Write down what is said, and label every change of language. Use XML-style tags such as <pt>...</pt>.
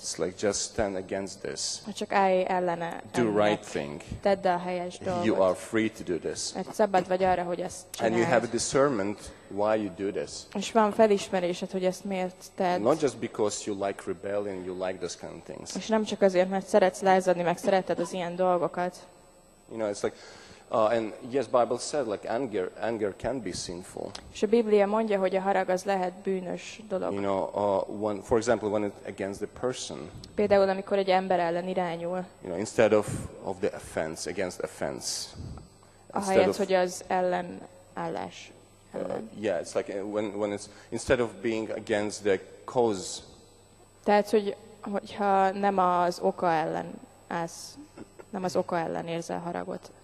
<en>It's like just stand against this.</en> <hu>Csak állj ellene.</hu> <en>Do right thing.</en> <hu>Tedd a helyes dolgot.</hu> <en>You are free to do this.</en> <hu>Mert szabad vagy arra, hogy ezt csináld.</hu> <en>And you have a discernment why you do this.</en> <hu>És van felismerésed, hogy ezt miért tedd.</hu> <en>Not just because you like rebellion, you like those kind of things.</en> <hu>És nem csak azért, mert szeretsz lázadni, meg szereted az ilyen dolgokat.</hu> <en>You know, it's like and yes, Bible said like anger can be sinful.</en> <hu>És a Biblia mondja, hogy a harag az lehet bűnös dolog.</hu> <en>You know, for example, when it against the person.</en> <hu>Például amikor egy ember ellen irányul.</hu> <en>You know, instead of the offense, against offense.</en> <hu>Ahelyett, hogy az ellenállás.</hu> <en>Yeah, it's like when it's instead of being against the cause.</en> <hu>Tehát hogyha nem az oka ellen állsz, nem az oka ellen érzel haragot.</hu>